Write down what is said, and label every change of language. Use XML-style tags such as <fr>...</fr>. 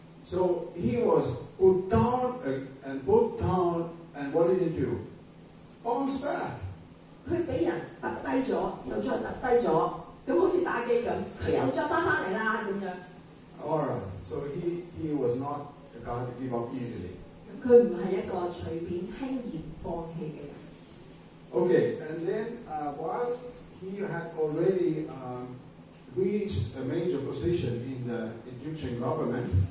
<en>So he was put down and put down, and what did he do? Bounced back.</en> <yue>佢俾人揼低咗，又再揼低咗，咁好似打機咁，佢又再翻返嚟啦咁樣。</yue> <en>All right. So he was not the guy to give up easily.</en> <yue>佢唔係一個隨便輕言放棄嘅人。</yue> <en>Okay, and then while he had already reached a major position in the Egyptian government.</en>